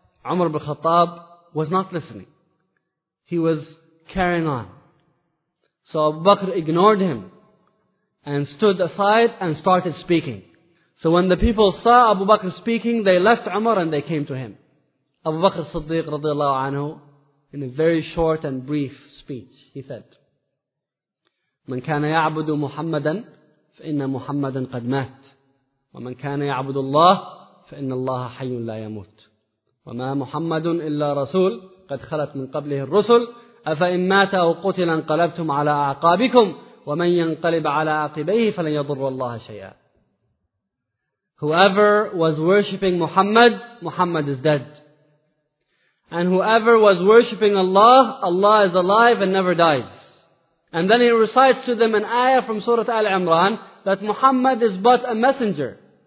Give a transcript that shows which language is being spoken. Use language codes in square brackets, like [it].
[en] Umar bin Khattab was not listening. He was carrying on. So Abu Bakr ignored him and stood aside and started speaking. So when the people saw Abu Bakr speaking, they left Umar and they came to him. Abu Bakr as-Siddiq radiallahu anhu, in a very short and brief speech, he said, [ar] من كان يعبد محمدا فإن محمدا قد مات ومن كان يعبد الله فإن الله حي لا يموت وما محمد إلا رسول قد خلت من قبله الرسل أفإن مات أو قتل انقلبتم على أعقابكم ومن ينقلب على عقبيه فلن يضر الله شيئا. [en] Whoever was worshipping Muhammad, Muhammad is dead. And whoever was worshipping Allah, Allah is alive and never dies. And then he recites to them an ayah from Surah Al-Imran that Muhammad is but a messenger.